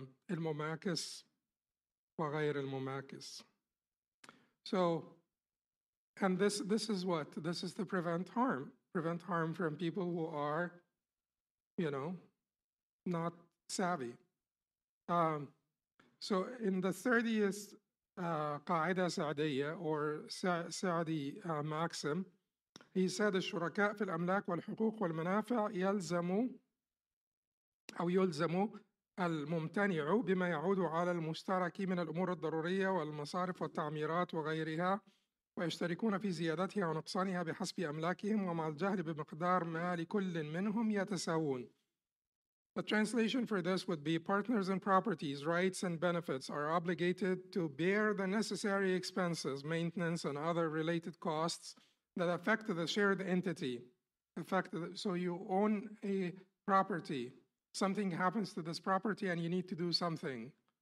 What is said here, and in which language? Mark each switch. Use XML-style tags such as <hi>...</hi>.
<ar>Al-Mumakis wa ghayr al-Mumakis.</ar> <en>So, and this is what? This is to prevent harm. Prevent harm from people who are, you know, not savvy. So in the 30th Qaida Sa'diyya, or Sa'di Maxim, he said,</en> <ar>الشركاء في الأملاك والحقوق والمنافع يلزموا أو يلزموا الممتنع بما يعود على المشترك من الأمور الضرورية والمصارف والتعميرات وغيرها ويشتركون في زيادتها ونقصانها بحسب أملاكهم ومع الجهل بمقدار ما لكل منهم يتساوون.</ar> <en>The translation for this would be partners in properties, rights, and benefits are obligated to bear the necessary expenses, maintenance, and other related costs that affect the shared entity. So you own a property. Something happens to this property and you need to do something.</en>